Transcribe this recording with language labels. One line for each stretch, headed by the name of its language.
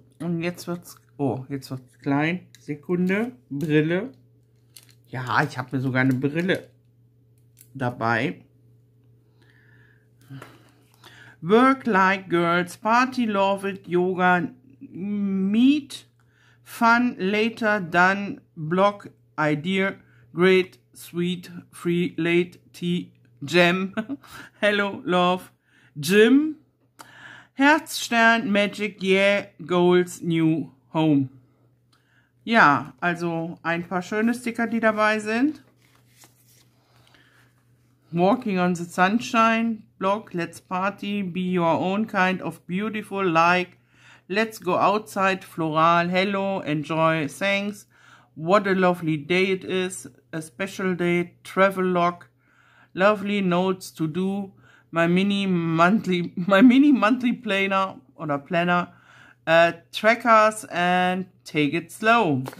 German: Und jetzt wird's, oh, jetzt wird's klein. Sekunde, Brille. Ja, ich habe mir sogar eine Brille dabei.
English: Work like girls, party, love it, yoga, meet. Fun, later, done, block, idea, great, sweet, free, late, tea, jam, hello, love, gym, Herzstern, magic, yeah, goals, new, home.
German: Ja, also ein paar schöne Sticker, die dabei sind.
English: Walking on the sunshine, block, let's party, be your own kind of beautiful, like, let's go outside, floral, hello, enjoy, thanks, what a lovely day it is, a special day, travel log, lovely notes to do, my mini monthly planner oder planner, trackers and take it slow.